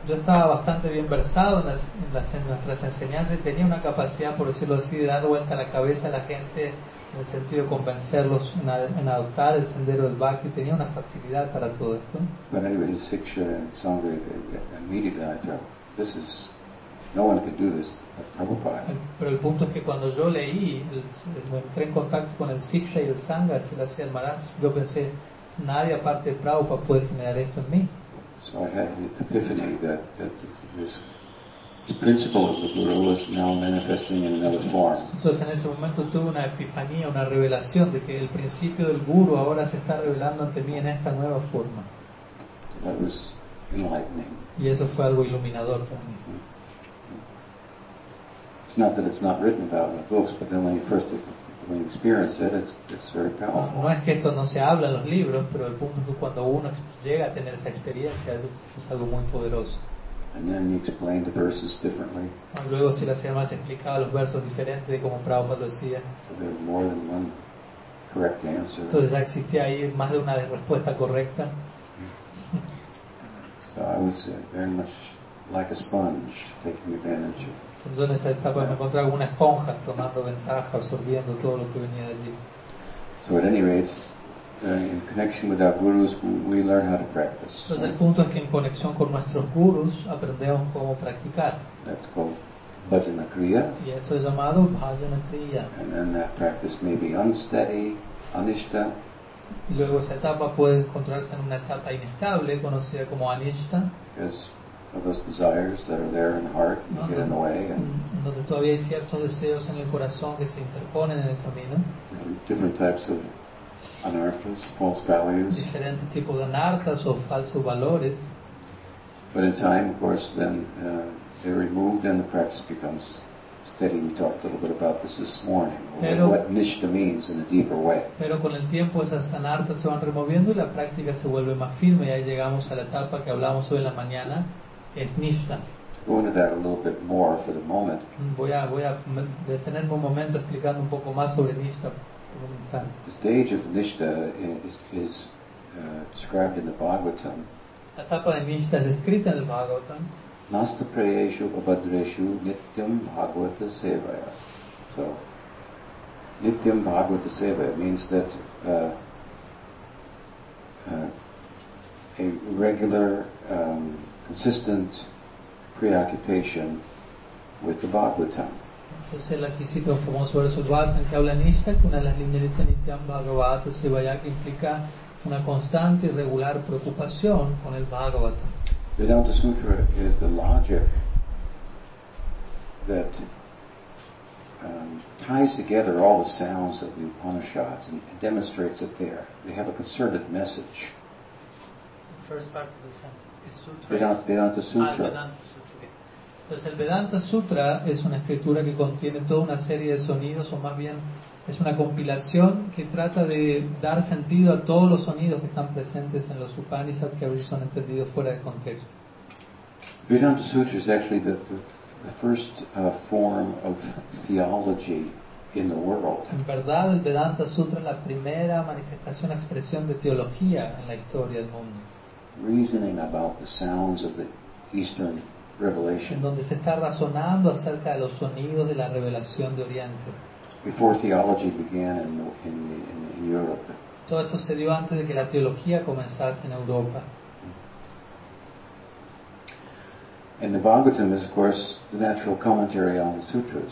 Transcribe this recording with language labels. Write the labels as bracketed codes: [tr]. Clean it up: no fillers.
[es] Yo estaba bastante bien versado en nuestras enseñanzas y tenía una capacidad, por decirlo así, de dar vuelta a la cabeza a la gente en el sentido de convencerlos en adoptar el sendero del bhakti. Tenía una facilidad para todo esto. [en] But anyway, his siksha and sangha, immediately I felt, this is, no one can do this but Prabhupada. [es] Pero el punto es que cuando yo leí, me entré en contacto con el siksha y el sangha, se le hacía el maharaj, yo pensé, nadie aparte de Prabhupada puede generar esto en mí. [en] So I had the epiphany that the principle of the guru was now manifesting in another form. [es] Entonces en ese momento tuve una epifanía, una revelación de que el principio del guru ahora se está revelando ante mí en esta nueva forma. [en] That was enlightening. [es] Y eso fue algo iluminador para mí. [en] It's not that it's not written about in the books, but then when you experience it, it's very powerful. [es] No es que esto no se habla en los libros, pero el punto es que cuando uno llega a tener esa experiencia, eso es algo muy poderoso. [en] And then he explained the verses differently. [es] Luego si las hermanas explicaban los versos diferentes de como Prabhupada lo decía. [en] So there was more than one correct answer. [es] Entonces ya existía ahí más de una respuesta correcta. [en] So I was very much like a sponge, taking advantage of. [es] Entonces, yo en esa etapa me encontré como una esponja tomando ventaja, absorbiendo todo lo que venía de allí. [en] So at any rate, in connection with our gurus, we learn how to practice. [es] Entonces el punto es que en conexión con nuestros gurus aprendemos cómo practicar. [en] That's called bhajana kriya. [es] Y eso es llamado bhajana kriya. [en] And then that practice may be unsteady, anishta. [es] Y luego esa etapa puede encontrarse en una etapa inestable, conocida como anishta. [en] Because of those desires that are there in the heart and get in the way. And [es] donde todavía hay ciertos deseos en el corazón que se interponen en el camino. [en] Different types of anarthas, false values. [es] Diferentes tipos de anarthas o falsos valores. [en] But in time, of course, then they're removed and the practice becomes steady. We talked a little bit about this this morning, [es] pero, [en] what nishta means in a deeper way. [es] Pero con el tiempo esas anartas se van removiendo y la práctica se vuelve más firme. Ya llegamos a la etapa que hablamos hoy en la mañana, es nishta. [en] Go into that a little bit more for the moment. [es] Voy a detenerme un momento explicando un poco más sobre nishta. [en] The stage of nishta is described in the Bhagavatam. [es] La etapa de nishta es escrita en el Bhagavatam. [sa] Nasta prayeshu abhadreshu nityam bhagavata sevaya. [en] So, [sa] nityam bhagavata sevaya [en] means that a regular, consistent preoccupation with the Bhagavatam. [es] Entonces, aquí cita un famoso verso Bhagavatam que habla nishta, que una de las líneas dice [sa] nityam bhagavata sevaya, [es] que implica una constante y regular preocupación con el Bhagavatam. [en] Vedanta Sutra is the logic that ties together all the sounds of the Upanishads and demonstrates it there. They have a concerted message. The first part of the sentence is Sutra. Vedanta Sutra. [es] Entonces, el Vedanta Sutra es una escritura que contiene toda una serie de sonidos, o más bien es una compilación que trata de dar sentido a todos los sonidos que están presentes en los Upanishads que a veces son entendidos fuera de contexto. [en] Vedanta Sutra is actually the first form of theology in the world. [es] En verdad, el Vedanta Sutra es la primera manifestación, expresión de teología en la historia del mundo. [en] Reasoning about the sounds of the Eastern Revelation. [es] En donde se está razonando acerca de los sonidos de la revelación de Oriente. [en] Before theology began in Europe. [es] Todo esto se dio antes de que la teología comenzase en Europa. [en] And the Bhagavatam is, of course, the natural commentary on the sutras.